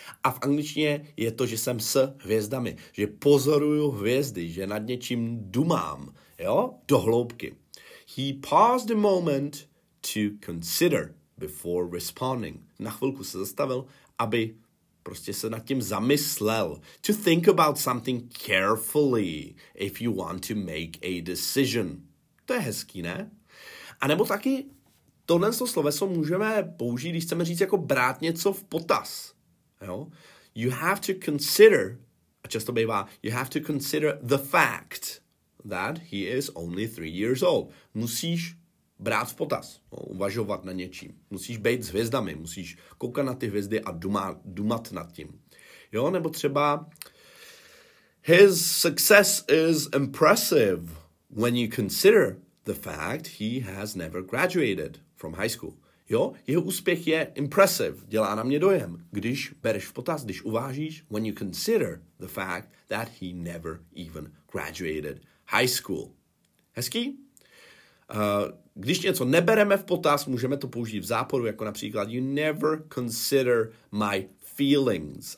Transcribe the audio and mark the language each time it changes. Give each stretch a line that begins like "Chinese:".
Czech: A v angličtině je to, že jsem s hvězdami, že pozoruju hvězdy, že nad něčím dumám, jo, do hloubky.
English: He paused a moment to consider before responding.
Czech: Na chvilku se zastavil, aby prostě se nad tím zamyslel.
English: To think about something carefully if you want to make a decision.
Czech: To je hezký, ne? A nebo taky tohle sloveso můžeme použít, když chceme říct jako brát něco v potaz. Jo?
English: You have to consider,
Czech: a často bývá,
English: you have to consider the fact that he is only 3 years old.
Czech: Musíš brát v potaz, no, uvažovat na něčím. Musíš být s hvězdami, musíš koukat na ty hvězdy a dumat nad tím. Jo, nebo třeba
English: his success is impressive when you consider the fact he has never graduated from high school.
Czech: Jo, jeho úspěch je impressive, dělá na mě dojem, když bereš v potaz, když uvážíš,
English: when you consider the fact that he never even graduated high school.
Czech: Hezký? Když něco nebereme v potaz, můžeme to použít v záporu, jako například
English: you never consider my feelings.